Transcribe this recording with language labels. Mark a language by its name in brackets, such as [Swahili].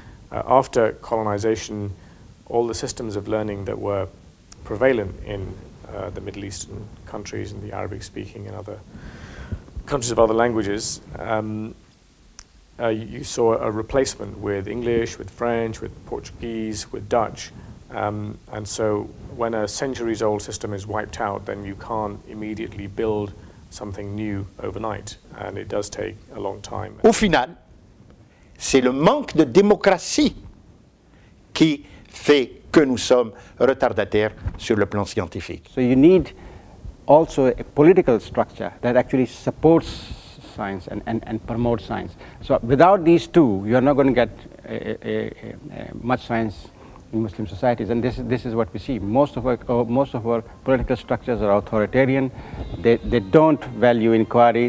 [English] After colonization, all the systems of learning that were prevalent in the Middle Eastern countries and the Arabic speaking and other countries of other languages, you saw a replacement with English, with French, with Portuguese, with Dutch, And so when a centuries old system is wiped out, then you can't immediately build something new overnight, and it does take a long time. [French] Au final, c'est le manque de démocratie qui fait que nous sommes retardataires sur le plan scientifique. [English] So you need also a political structure that actually supports science and promotes science. So without these two, you are not going to get much science in Muslim societies, and this is what we see. Most of our political structures are authoritarian. They don't value inquiry.